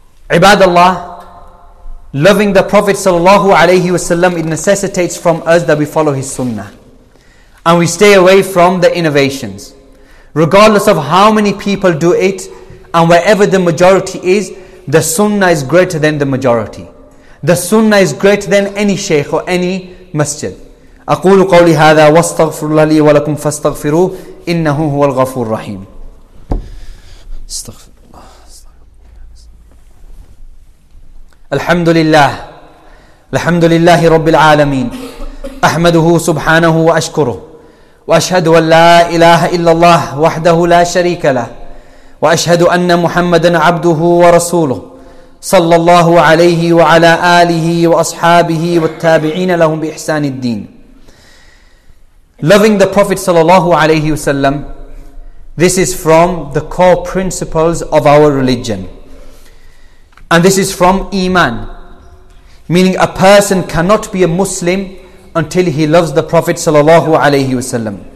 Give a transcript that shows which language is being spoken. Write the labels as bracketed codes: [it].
[en] Ibadallah, loving the Prophet [ar] sallallahu alayhi wasallam, [en] it necessitates from us that we follow his sunnah. And we stay away from the innovations. Regardless of how many people do it, and wherever the majority is, the sunnah is greater than the majority. The sunnah is greater than any shaykh or any masjid. [ar] أقول قولي هذا واستغفر الله لي ولكم فاستغفروا إنه هو الغفور الرحيم. الحمد لله الحمد لله رب العالمين أحمده سبحانه وأشكره وأشهد أن لا إله إلا الله وحده لا شريك له وأشهد أن محمدا عبده ورسوله صلى الله عليه وعلى آله وأصحابه والتابعين لهم بإحسان الدين. [en] Loving the Prophet [ar] sallallahu alayhi wasallam, [en] this is from the core principles of our religion. And this is from Iman. Meaning a person cannot be a Muslim until he loves the Prophet [ar] sallallahu alayhi wasallam.